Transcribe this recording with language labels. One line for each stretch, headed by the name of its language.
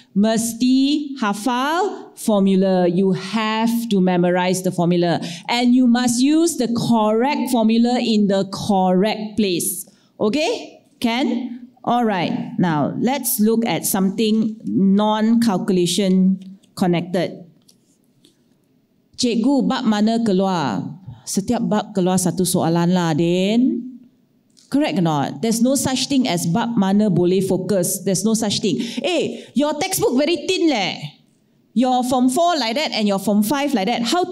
Malay: Mesti hafal formula.
English: You have to memorize the formula. And you must use the correct formula in the correct place. Okay, can? All right, now let's look at something non-calculation connected.
Malay: Cikgu, bab mana keluar? Setiap bab keluar satu soalan lah, Din.
English: Correct or not? There's no such thing as
Malay: bab mana boleh fokus.
English: There's no such thing. Hey, your textbook very thin leh. You're from 4 like that and you're from 5 like that.